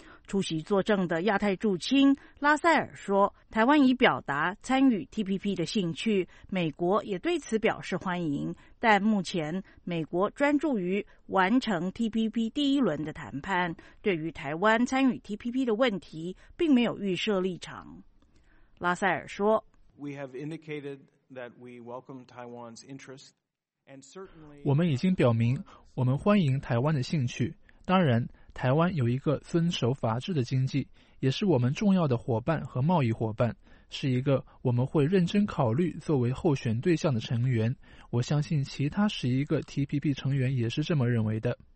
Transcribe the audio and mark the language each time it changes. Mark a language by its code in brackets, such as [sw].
[zh] 出席作证的亚太驻青拉塞尔说，台湾已表达参与 TPP 的兴趣，美国也对此表示欢迎，但目前美国专注于完成 TPP 第一轮的谈判，对于台湾参与 TPP 的问题并没有预设立场。拉塞尔说， [en] We have indicated that we welcome Taiwan's interest, and certainly [zh] 我们已经表明我们欢迎台湾的兴趣，当然台湾有一个遵守法治的经济，也是我们重要的伙伴和贸易伙伴，是一个我们会认真考虑作为候选对象的成员。我相信其他11个 TPP 成员也是这么认为的。